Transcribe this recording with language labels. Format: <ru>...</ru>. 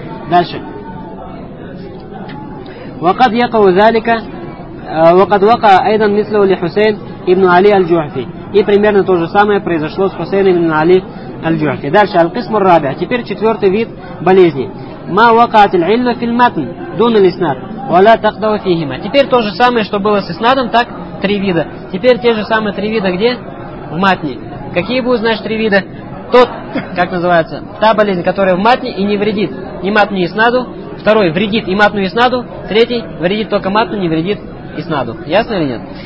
<ru>Дальше.</ru> <ar>وقد يقع ذلك وقد وقع ايضا مثله لحسين ابن علي الجعفي</ar> <ru>и примерно то же самое произошло с Хусейном ибн Али аль-Джуфи. Дальше аль-кисму ар-рабиа. Теперь четвёртый вид болезни.</ru> <ar>ما وقعت العله في المتن دون الاسناد ولا تقضى فيهما.</ar> <ru>Теперь то же самое, что было с иснадом, так три вида. Теперь те же самые три вида где? В матне. Какие будут, значит, три вида? Тот, как называется, та болезнь, которая в матне и не вредит ни матну, ни иснаду. Второй вредит и матну, и снаду. Третий вредит только матну, не вредит и снаду. Ясно или нет?</ru>